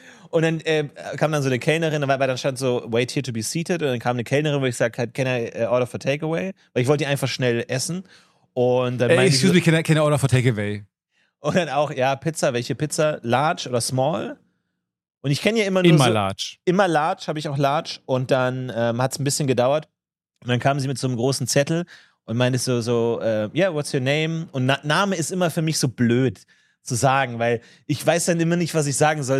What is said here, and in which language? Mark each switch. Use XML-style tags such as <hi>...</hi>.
<de>Und dann kam dann so eine Kellnerin, weil dann stand so,</de> <en>wait here to be seated.</en> <de>Und dann kam eine Kellnerin, wo ich gesagt habe,</de> <en>can I order for takeaway?</en> <de>Weil ich wollte die einfach schnell essen. Und dann</de> <en>can I order for takeaway?</en> <de>Und dann auch, ja, Pizza. Welche Pizza? Large oder small? Und ich kenne ja immer nur immer so,</de> <en>large.</en> <de>Immer large, habe ich auch large. Und dann hat es ein bisschen gedauert. Und dann kam sie mit so einem großen Zettel und meinte so,</de> <en>what's your name?</en> <de>Und Name ist immer für mich so blöd zu sagen, weil ich weiß dann immer nicht, was ich sagen soll.</de>